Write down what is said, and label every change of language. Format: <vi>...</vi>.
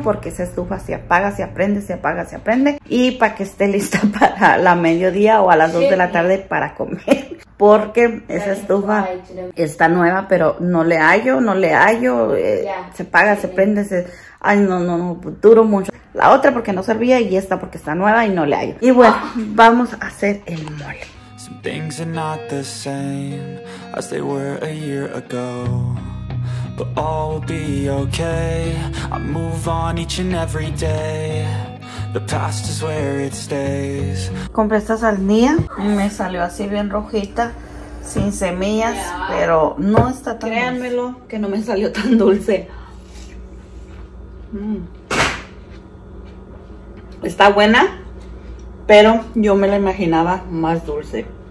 <es>Porque esa estufa se apaga, se aprende, se apaga, se aprende. Y para que esté lista para la mediodía o a las 2 de la tarde para comer. Porque esa estufa está nueva, pero no le hallo, no le hallo. Se apaga, se prende, se... Ay, no, duro mucho. La otra porque no servía y esta porque está nueva y no le hallo. Y bueno, vamos a hacer el mole.</es> <en>Some things are not the same as they were a year ago. But all will be okay. I move on each and every day. The past is where it stays.</en> <es>Compré esta sandía y me salió así bien rojita, sin semillas, pero no está tan Créanmelo que no me salió tan dulce. Está buena, pero yo me la imaginaba más dulce.</es>